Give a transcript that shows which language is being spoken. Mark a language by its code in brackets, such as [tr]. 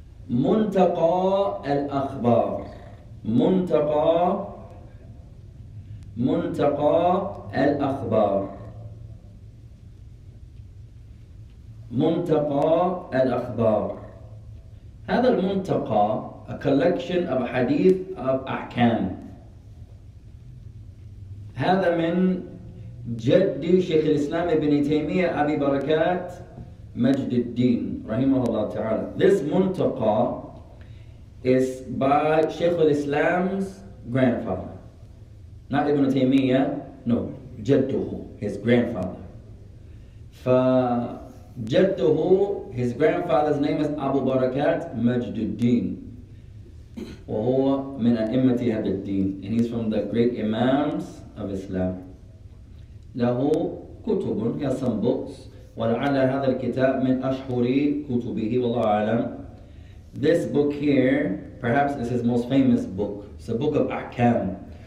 [ar] منتقى الأخبار منتقى الأخبار منتقى الأخبار. هذا المنتقى [en] a collection of hadith of أحكام. [ar] هذا من جد شيخ الإسلام ابن تيمية أبي بركات Majd al-Din, رحمه الله تعالى. [en] This muntaqa is by Shaykh al-Islam's grandfather. Not Ibn Taymiyyah, no. [ar] Jadduhu, [en] his grandfather. [ar] فجدّه, [en] his grandfather's name is Abu Barakat Majd al-Din. [ar] وهو من أئمة هذا الدين. [en] And he's from the great imams of Islam. [ar] له كتب, [en] he has some books. [ar] ولعل هذا الكتاب من أشهر كتبه والله أعلم. [en] This book here, perhaps this is his most famous book. It's a book of أحكام.